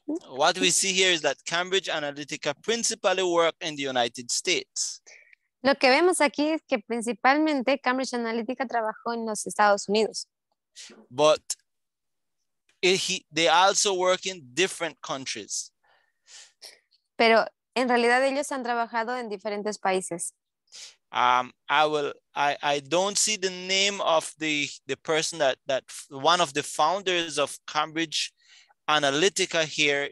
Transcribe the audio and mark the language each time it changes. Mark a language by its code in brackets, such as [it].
[en] What we see here is that Cambridge Analytica principally work in the United States. [es] Lo que vemos aquí es que principalmente Cambridge Analytica trabajó en los Estados Unidos. [en] But they also work in different countries. [es] Pero en realidad ellos han trabajado en diferentes países. [en] I don't see the name of the person that one of the founders of Cambridge Analytica here.